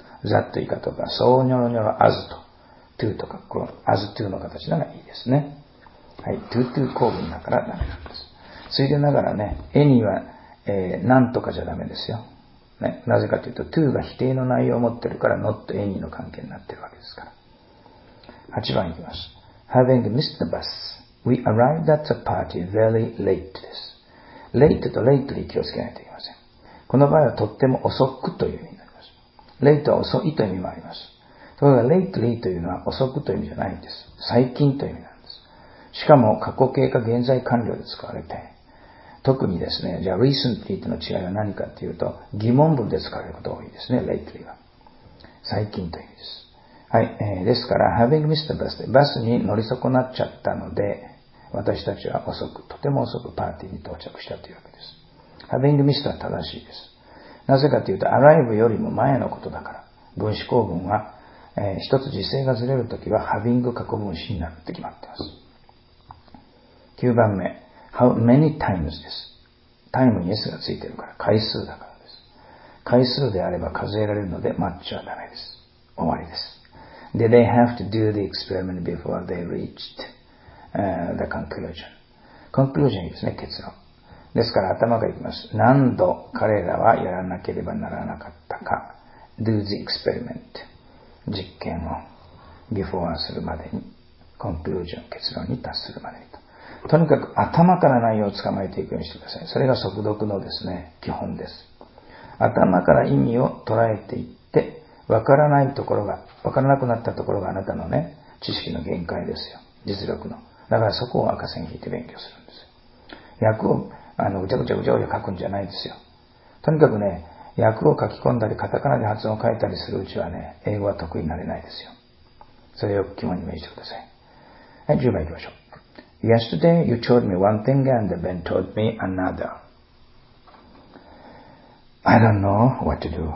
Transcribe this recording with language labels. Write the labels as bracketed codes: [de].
[ja] ザットイカとか、ソーニョロニョロアズト、トゥーとか、このアズトゥーの形ならいいですね。はい、トゥートゥー構文だからダメなんです。ついでながらね、エニは、なんとかじゃダメですよ。ね、なぜかというと、トゥーが否定の内容を持ってるから、ノットエニの関係になってるわけですから。 8番いきます。 [en] Having missed the bus, we arrived at the party very late [ja] です。 Late と lately 気をつけないといけません。この場合はとっても遅くという意味になります。Late は遅いという意味もあります。ところが lately というのは遅くという意味じゃないんです。最近という意味なんです。しかも過去形か現在完了で使われて、特にですね、じゃあ recently との違いは何かというと、疑問文で使われることが多いですね、lately は。最近という意味です。はい、ですから、 [en] having missed the bus [ja] で、バスに乗り損なっちゃったので、私たちは遅く、とても遅くパーティーに到着したというわけです。 [en] having missed [ja] は正しいです。なぜかというと、arrive よりも前のことだから、分子構文は、一つ時制がずれるときは、having 過去分子になるって決まっています。 9番目、 [en] how many times [ja] です。タイムに S がついているから、回数だからです。回数であれば数えられるので、マッチはダメです。終わりです。 [en] Did they have to do the experiment before they reached the conclusion? [ja] Conclusion ですね、結論。ですから頭がいきます。何度彼らはやらなければならなかったか。 [en] Do the experiment. [ja] 実験を before するまでに、conclusion、結論に達するまでにと。とにかく頭から内容を捕まえていくようにしてください。それが速読のですね、基本です。頭から意味を捉えていって、わからないところが、わからなくなったところがあなたのね、知識の限界ですよ。実力の。だからそこを赤線引いて勉強するんですよ。訳を、ぐちゃぐちゃぐちゃぐちゃ書くんじゃないですよ。とにかくね、訳を書き込んだり、カタカナで発音を書いたりするうちはね、英語は得意になれないですよ。それをよく基本に銘じてください。はい、10番いきましょう。 [en] Yesterday you told me one thing and Ben told me another. I don't know what to do.